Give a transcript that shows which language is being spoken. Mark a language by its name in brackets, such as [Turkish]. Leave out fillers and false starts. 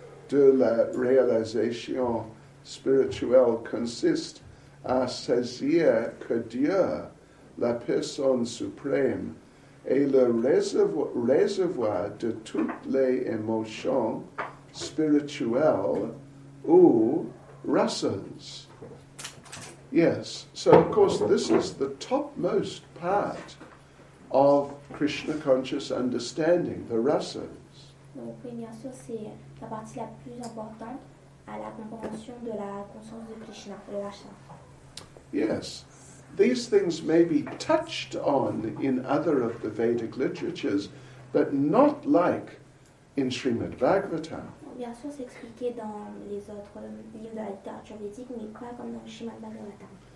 [French] de la réalisation spirituelle consiste à saisir que Dieu, la personne suprême, est le réservoir de toutes les émotions spirituelles ou rasas. [English] Yes, so of course this is the topmost part of Krishna conscious understanding, the rasas. [French] Donc, bien sûr, c'est la partie la plus importante à la compréhension de la conscience de Krishna, le rasa. [English] Yes. These things may be touched on in other of the Vedic literatures, but not like in Srimad Bhagavatam. [French] Bien sûr, c'est expliqué dans les autres livres de la littérature védique, mais pas comme dans Srimad Bhagavatam.